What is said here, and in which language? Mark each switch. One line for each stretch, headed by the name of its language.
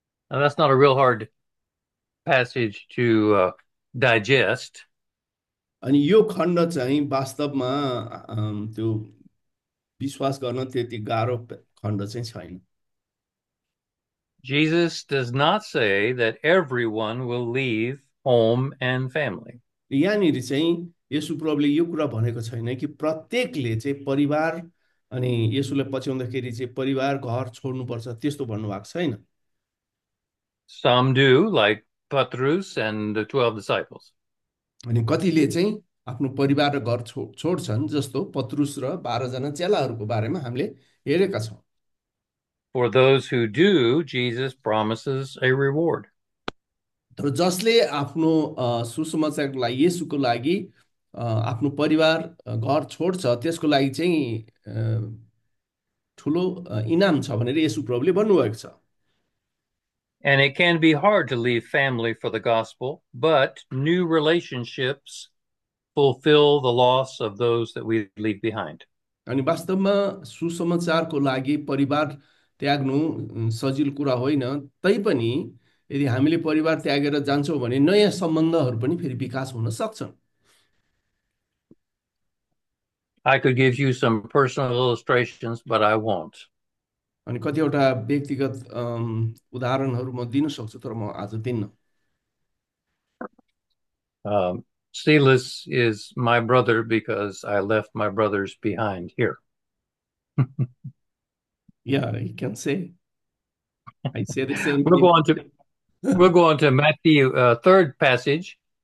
English: Now that's not a real hard passage to digest.
Nepali: अनि यो खण्ड चाहिँ वास्तवमा त्यो विश्वास गर्न त्यति गाह्रो खण्ड चाहिँ छैन।
English: Jesus does not say that everyone will leave home and family.
Nepali: यहाँनिर चाहिँ यसु प्रभुले यो कुरा भनेको छैन कि प्रत्येकले चाहिँ परिवार अनि यसुलाई पछ्याउँदाखेरि चाहिँ परिवार घर छोड्नुपर्छ त्यस्तो भन्नुभएको छैन।
English: Some do, like Petrus and the 12 disciples.
Nepali: अनि कतिले चाहिँ आफ्नो परिवार र घर छोड्छन् जस्तो पत्रुस र 12 जना चेलाहरूको बारेमा हामीले हेरेका छौँ।
English: For those who do, Jesus promises a reward.
Nepali: तर जसले आफ्नो सुसमाचारको लागि येसुको लागि आफ्नो परिवार घर छोड्छ त्यसको लागि चाहिँ ठुलो इनाम छ भनेर येसु प्रभुले भन्नुभएको छ।
English: And it can be hard to leave family for the gospel, but new relationships fulfill the loss of those that we leave behind.
Nepali: अनि वास्तवमा सुसमाचारको लागि परिवार त्याग्नु सजिलो कुरा होइन, तैपनि यदि हामीले परिवार त्यागेर जान्छौँ भने नयाँ सम्बन्धहरू पनि फेरि विकास हुन सक्छन्।
English: I could give you some personal illustrations, but I won't.
Nepali: अनि कतिवटा व्यक्तिगत उदाहरणहरू म दिन सक्छु तर म आज दिन्न।
English: Silas is my brother because I left my brothers behind here. Yeah, you can say. I say the same thing. We'll go on to Matthew, third passage.